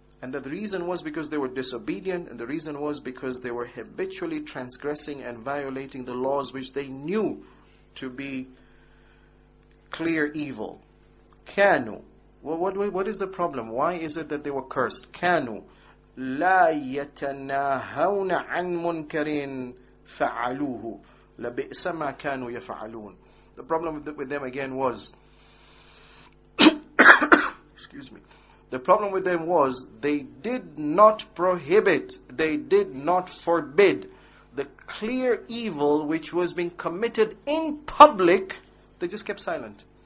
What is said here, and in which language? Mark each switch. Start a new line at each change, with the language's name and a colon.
English: And the reason was because they were disobedient, and the reason was because they were habitually transgressing and violating the laws which they knew to be clear evil. كانوا. What is the problem? Why is it that they were cursed?
Arabic: كانوا لا يتناهون عن منكر فعلوه لبئس ما كانوا يفعلون.
English: The problem with them again was, excuse me. The problem with them was they did not prohibit, they did not forbid the clear evil which was being committed in public. They just kept silent.